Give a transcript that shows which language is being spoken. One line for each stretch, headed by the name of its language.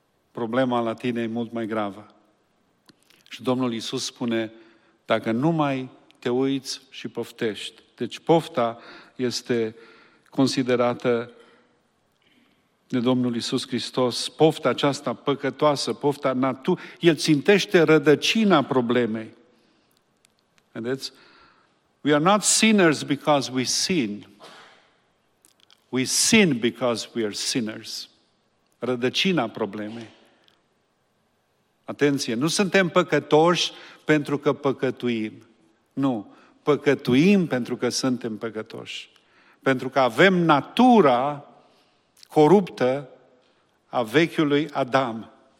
Romanian: Problema la tine e mult mai gravă. Și Domnul Iisus spune: dacă nu mai te uiți și poftești. Deci pofta este considerată de Domnul Iisus Hristos, pofta aceasta păcătoasă, pofta naturală, el țintește rădăcina problemei. Vedeți?
English: We are not sinners because we sin. We sin because we are sinners.
Romanian: Rădăcina problemei. Atenție, nu suntem păcătoși pentru că păcătuim. Nu, păcătuim pentru că suntem păcătoși. Pentru că avem natura coruptă a vechiului Adam.